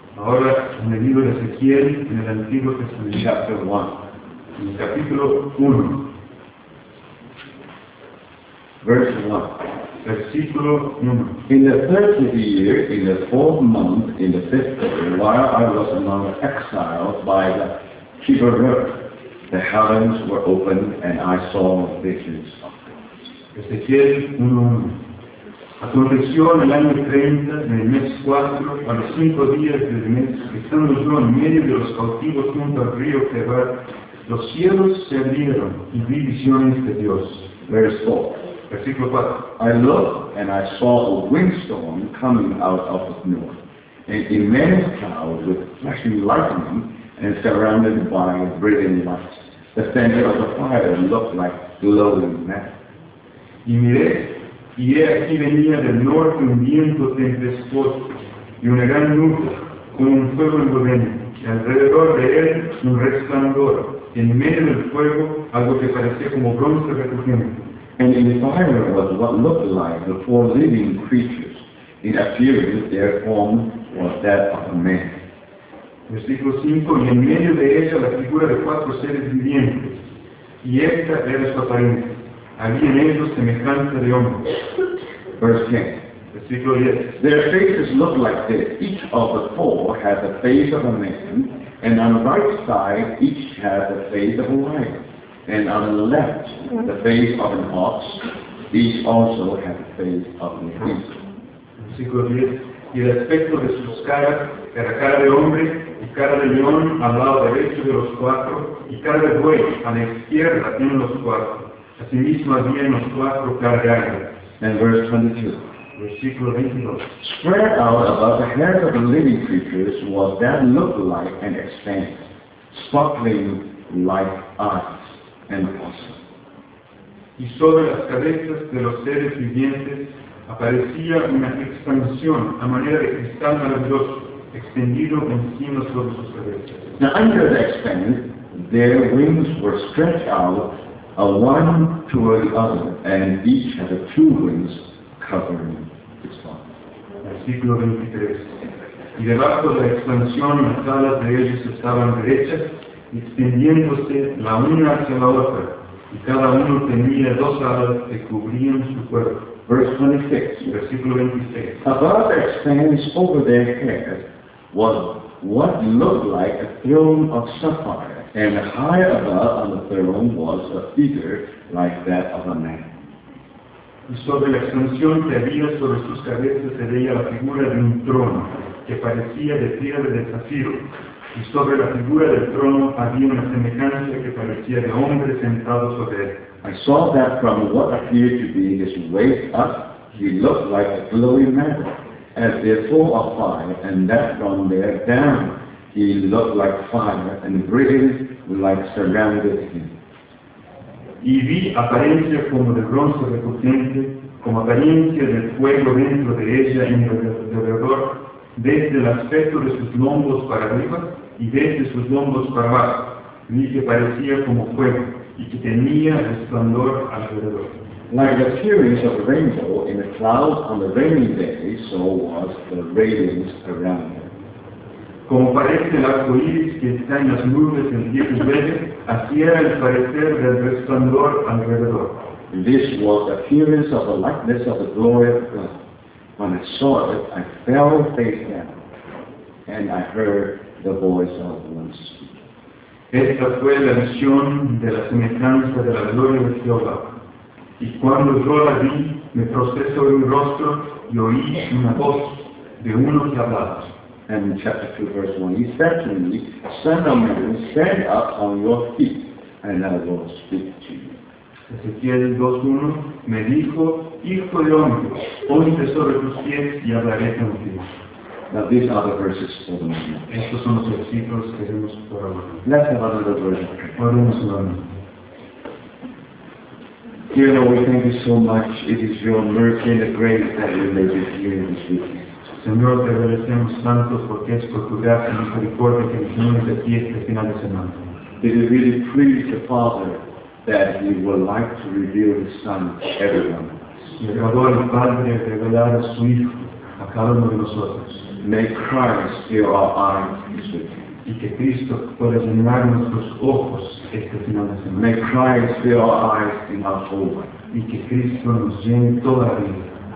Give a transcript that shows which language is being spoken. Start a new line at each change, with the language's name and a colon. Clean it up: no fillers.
Spanish: Ahora en el libro de Ezequiel en el Antiguo Testamento.
English: Chapter 1.
Spanish: En el capítulo 1.
English: Verse 1.
Spanish: Versículo 1.
English: In the 30th year, in the 4th month, in the 5th day, while I was among exiles by the Kibaroth, the heavens were opened and I saw visions of God.
Spanish: Ezequiel 1:1. Aconteció en el año 30, en el mes 4, a los 5 días del mes, estando yo en medio de los cautivos junto al río Kebar, los cielos se abrieron y vi visiones de Dios.
English: Verse 4.
Spanish: Versículo 4.
English: I looked and I saw a windstorm coming out of the north, an immense cloud with flashing lightning and surrounded by brilliant lights. The center of the fire looked like glowing metal.
Spanish: Y miré, y he aquí venía del norte un viento tempestuoso, y una gran nube, con un fuego envolvente, y alrededor de él un resplandor, y en medio del fuego algo que parecía como bronce recogiendo.
English: And in the fire was what looked like the four living creatures. In appearance, their form was that of a man.
Spanish: Versículo 5, y en medio de ella la figura de cuatro seres vivientes, y esta era su apariencia. Había en ellos semejanza de hombre.
English: Verse 10.
Spanish: Versículo 10.
English: Their faces looked like this. Each of the four had the face of a man, and on the right side each had the face of a lion, and on the left the face of an ox, each also had the face of a beast.
Spanish: Versículo 10. Y el aspecto de sus caras era cara de hombre, y cara de león al lado derecho de los cuatro, y cara de buey a la izquierda de los cuatro. Asimismo había en los cuatro caras de águila.
English: And verse 22.
Spanish: Versículo 22.
English: Spread out above the heads of the living creatures was that looked like an expanse, sparkling like eyes, and awesome.
Spanish: Y sobre las cabezas de los seres vivientes aparecía una expansión a manera de cristal maravilloso, extendido encima sobre sus cabezas.
English: Now under the expanse, their wings were stretched out a one toward the other, and each had a two wings covering its body.
Spanish: Versículo 23. Y debajo de la expansión las alas de ellos estaban derechas, extendiéndose la una hacia la otra, y cada uno tenía dos alas que cubrían su cuerpo.
English: Verse 26.
Spanish: Versículo 26.
English: Above the expanse over their head was what looked like a throne of sapphire. And high above on the throne was a figure like that of a man.
Spanish: Y sobre la expansión que había sobre sus cabezas se veía la figura de un trono que parecía de piedra de zafiro. Y sobre la figura del trono había una semejanza que parecía de hombre sentado sobre él.
English: I saw that from what appeared to be his waist up, he looked like a glowing metal, as if full of fire, and that from there down, he looked like fire and brilliant like surrounded him.
Spanish: Y vi apariencia como de bronce recogente, como apariencia de fuego dentro de ella y alrededor, desde el aspecto de sus lomos para arriba y desde sus lomos para abajo, vi que parecía como fuego y que tenía resplandor alrededor.
English: Like the appearance of a rainbow in the clouds on the rainy day, so was the radiance around him.
Spanish: Como parece el arco iris que está en las nubes en el día lluvioso, así era el parecer del resplandor alrededor.
English: This was the appearance of the likeness of the glory of God. When I saw it, I fell face down, and I heard the voice of one speaking.
Spanish: Esta fue la visión de la semejanza de la gloria de Jehová. Y cuando yo la vi, me prosté sobre mi rostro y oí una voz de uno que hablaba.
English: And in chapter 2, verse 1, he said to me, Son of man, stand up on your feet, and I will speak to you.
Spanish: Ezequiel 2:1, me dijo, Hijo de hombre, ponte sobre tus pies y hablaré contigo.
English: Now these are the verses for the moment.
Spanish: Estos son los versículos que tenemos por ahora.
English: Let's have another version.
Spanish: Oremos un momento.
English: Dear Lord, we thank you so much. It is your mercy and the grace that you led us here in this weekend.
Spanish: Señor, te agradecemos tanto porque es por tu gracia y misericordia que nos unimos aquí este final de semana.
English: Did it really please the Father that He would like to reveal His Son to everyone?
Spanish: Y agradó al Padre revelar a su Hijo a cada uno de nosotros.
English: May Christ fill our eyes this week.
Spanish: Y que Cristo pueda llenar nuestros ojos este final de semana.
English: May Christ fill our eyes in our home.
Spanish: Y que Cristo nos llene toda la vida.